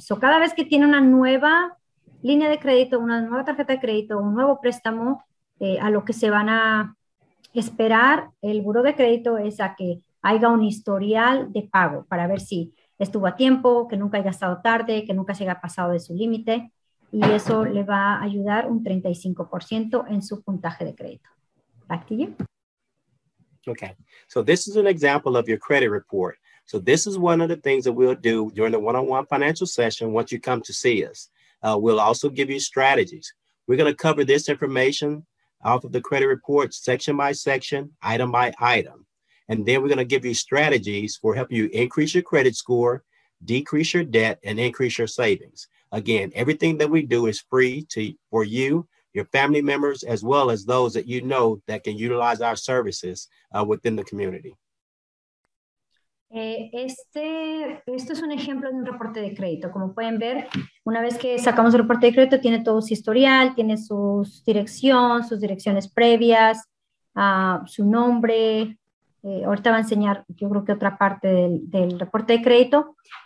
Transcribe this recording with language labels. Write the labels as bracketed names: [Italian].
[Spanish] So, cada vez que tiene una nueva línea de crédito, una nueva tarjeta de crédito, un nuevo préstamo, a lo que se van a esperar el buró de crédito es a que haya un historial de pago para ver si estuvo a tiempo, que nunca haya estado tarde, que nunca se haya pasado de su límite. Y eso le va a ayudar un 35% en su puntaje de crédito. [English] Back to you. Okay, so this is an example of your credit report. So this is one of the things that we'll do during the one-on-one financial session once you come to see us. We'll also give you strategies. We're going to cover this information off of the credit report section by section, item by item. And then we're going to give you strategies for helping you increase your credit score, decrease your debt, and increase your savings. Again, everything that we do is free for you, your family members, as well as those that you know that can utilize our services within the community. [Spanish] Esto es un ejemplo de un reporte de crédito. Como pueden ver, una vez que sacamos el reporte de crédito, tiene todo su historial, tiene sus direcciones previas, su nombre. Ahorita va a enseñar, yo creo que otra parte del reporte de crédito.